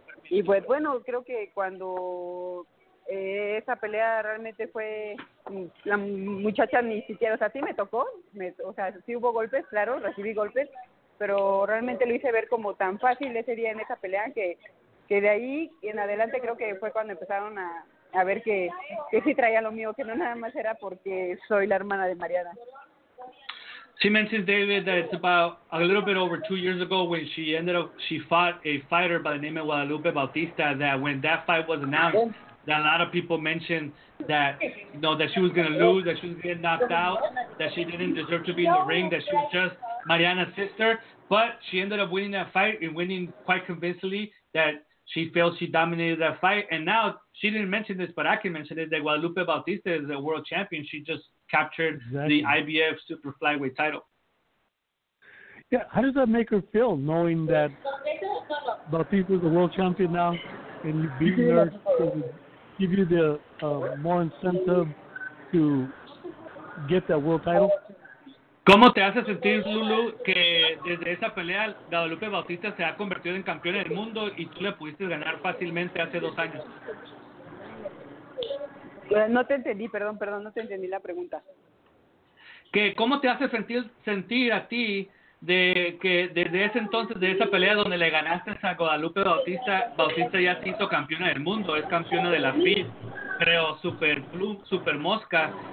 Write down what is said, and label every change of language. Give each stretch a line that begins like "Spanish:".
Spanish: Y pues bueno, creo que cuando esa pelea realmente fue, la muchacha ni siquiera, o sea, sí me tocó, sí hubo golpes, claro, recibí golpes, pero realmente lo hice ver como tan fácil ese día en esa pelea que de ahí en adelante creo que fue cuando empezaron a ver que sí traía lo mío, que no nada más era porque soy la hermana de Mariana.
English: She mentioned, David, that it's about a little bit over 2 years ago when she fought a fighter by the name of Guadalupe Bautista, that when that fight was announced, that a lot of people mentioned that, you know, that she was going to lose, that she was getting knocked out, that she didn't deserve to be in the ring, that she was just Mariana's sister. But she ended up winning that fight and winning quite convincingly that she felt she dominated that fight. And now, she didn't mention this, but I can mention it, that Guadalupe Bautista is a world champion. She just captured the IBF super flyweight title. Yeah, how does that make her feel, knowing that Bautista is a world champion now and you beat her? Give you the more incentive to get that world title.
Spanish: ¿Cómo te hace sentir, Lulu, que desde esa pelea Guadalupe Bautista se ha convertido en campeona del mundo y tú le pudiste ganar fácilmente hace 2 años? No te entendí, perdón, no te entendí la pregunta. ¿Que cómo te hace sentir a ti de que desde ese entonces, de esa pelea donde le ganaste a Guadalupe Bautista, Bautista ya se hizo campeona del mundo, es campeona de la FIB, creo, super plum, super mosca?